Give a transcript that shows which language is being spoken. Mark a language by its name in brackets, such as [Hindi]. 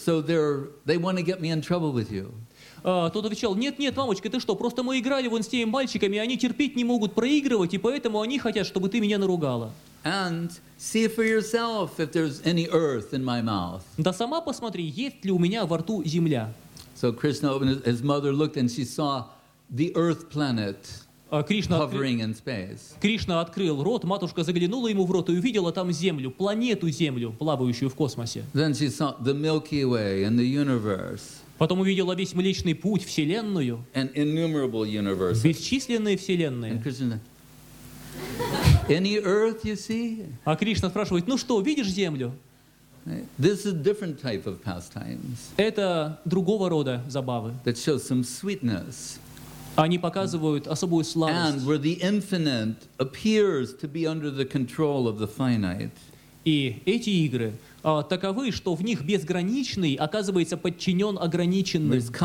[English] So they want to get me in trouble with you." [Russian] Тот отвечал: «Нет-нет, мамочка, ты что, просто мы играли вон с теми мальчиками, они терпеть не могут проигрывать, и поэтому они хотят, чтобы ты меня наругала». [English] And see for yourself if there's any earth in my mouth. [Russian] Да сама посмотри, есть ли у меня во рту земля. [English] So Krishna opened his mother looked and she saw the earth planet hovering in space. [Russian] Кришна открыл рот, матушка заглянула ему в рот и увидела там землю, планету землю, плавающую в космосе. [English] Then she saw the Milky Way and the universe. [Russian] Потом увидела весь Млечный Путь, Вселенную. [English] And innumerable universes. [Russian] Бесчисленные Вселенные. [English] And Krishna, any earth you see? [Russian] А Кришна спрашивает: ну что, видишь землю? [English] This is a different type of pastimes. [Russian] Это другого рода забавы. [English] That shows some sweetness. [Russian] Они показывают особую сладость. [English] And where the infinite appears to be under the control of the finite. [Russian] И эти игры таковы, что в них безграничный оказывается подчинен ограниченным.